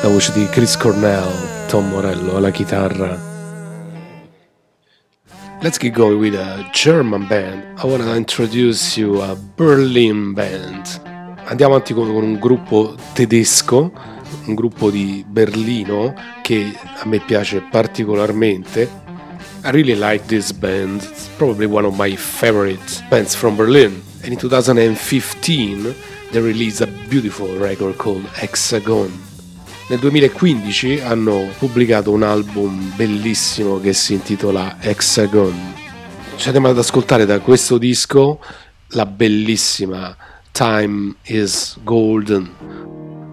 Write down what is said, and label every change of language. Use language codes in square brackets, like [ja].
[it] La voce di Chris Cornell, Tom Morello alla chitarra. [en] Let's get going with a German band. I want to introduce you a Berlin band. [it] Andiamo avanti con un gruppo tedesco, un gruppo di Berlino che a me piace particolarmente. [en] I really like this band. It's probably one of my favorite bands from Berlin. And in 2015 they released a beautiful record called Hexagon. [it] Nel 2015 hanno pubblicato un album bellissimo che si intitola Hexagon. Ci andiamo ad ascoltare da questo disco la bellissima Time is Golden.